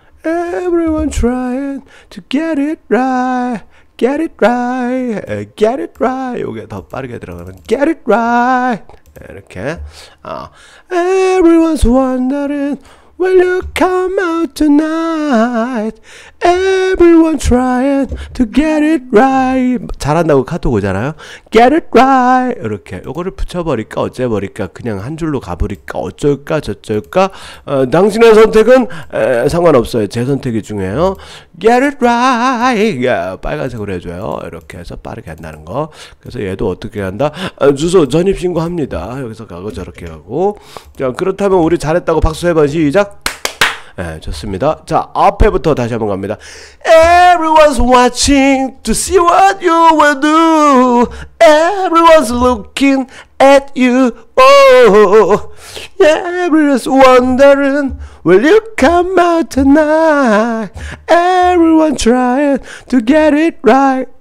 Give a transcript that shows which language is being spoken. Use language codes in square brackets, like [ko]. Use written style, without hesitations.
[en] Everyone trying to get it right, get it right, get it right. [ko] 요게 더 빠르게 들어가면 [en] get it right. [ko] 이렇게. [en] Everyone's wondering Will you come out tonight? Everyone trying to get it right. [ko] 잘한다고 카톡 오잖아요. [en] Get it right. [ko] 이렇게 요거를 붙여버릴까 어째버릴까 그냥 한 줄로 가버릴까 어쩔까 저쩔까. 당신의 선택은 상관없어요. 제 선택이 중요해요. [en] Get it right. [ko] 빨간색으로 해줘요. 이렇게 해서 빠르게 한다는 거. 그래서 얘도 어떻게 한다. 주소 전입신고 합니다. 여기서 가고 저렇게 가고. 자, 그렇다면 우리 잘했다고 박수 해봐. 시작. 네, 좋습니다. 자, 앞에부터 다시 한번 갑니다. [en] Everyone's watching to see what you will do. Everyone's looking at you. Oh, everyone's wondering, will you come out tonight? Everyone trying to get it right.